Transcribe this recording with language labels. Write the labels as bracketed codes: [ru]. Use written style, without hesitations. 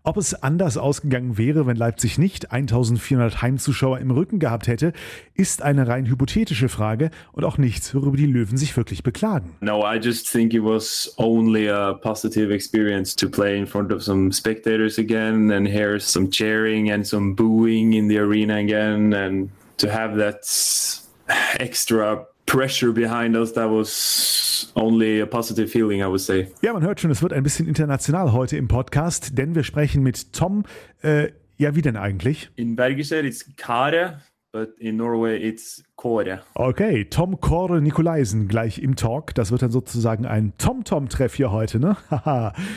[de] Ob es anders ausgegangen wäre, wenn Leipzig nicht 1400 Heimzuschauer im Rücken gehabt hätte, ist eine rein hypothetische Frage und auch nichts, worüber die Löwen sich wirklich beklagen. [en] No, I just think it was only a positive experience to play in front of some spectators again and hear some cheering and some booing in the arena again and to have that extra pressure behind us, that was only a positive feeling, I would say. [de] Ja, man hört schon, es wird ein bisschen international heute im Podcast, denn wir sprechen mit Tom. Ja, wie denn eigentlich? In Bergische ist Kare, [en] but in Norway it's Kore. [de] Okay, Tom Kore Nikolaisen gleich im Talk. Das wird dann sozusagen ein Tom-Tom-Treff hier heute, ne? Haha.